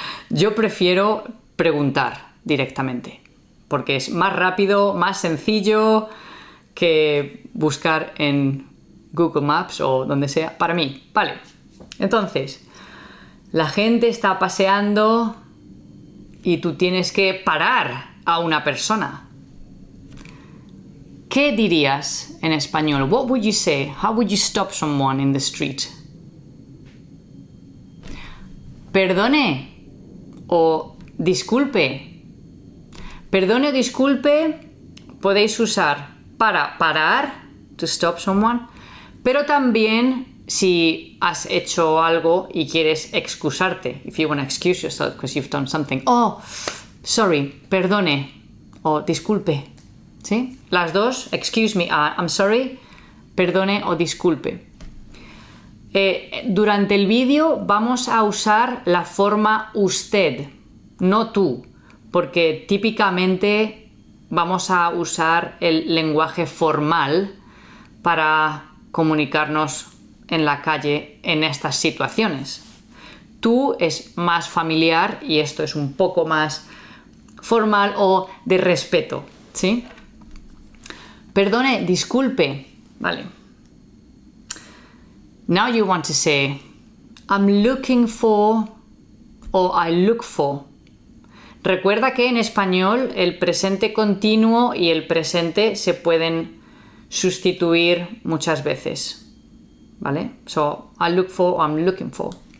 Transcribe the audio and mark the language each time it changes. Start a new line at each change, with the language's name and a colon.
Spanish: Yo prefiero preguntar directamente porque es más rápido, más sencillo que buscar en Google Maps o donde sea, para mí, ¿vale? Entonces, la gente está paseando y tú tienes que parar a una persona. ¿Qué dirías en español?
English: What would you say? How would you stop someone in the street?
Spanish: Perdone o disculpe. Perdone o disculpe podéis usar para parar,
English: to stop someone,
Spanish: pero también si has hecho algo y quieres excusarte.
English: If you want to excuse yourself because you've done something. Oh, sorry,
Spanish: perdone o disculpe. ¿Sí? Las dos,
English: excuse me, I'm sorry,
Spanish: perdone o disculpe. Durante el vídeo vamos a usar la forma usted, no tú, porque típicamente vamos a usar el lenguaje formal para comunicarnos en la calle en estas situaciones. Tú es más familiar y esto es un poco más formal o de respeto, ¿sí? Perdone, disculpe. Vale.
English: Now you want to say, I'm looking for, or I look for.
Spanish: Recuerda que en español el presente continuo y el presente se pueden sustituir muchas veces. Vale.
English: So, I look for, or I'm looking for.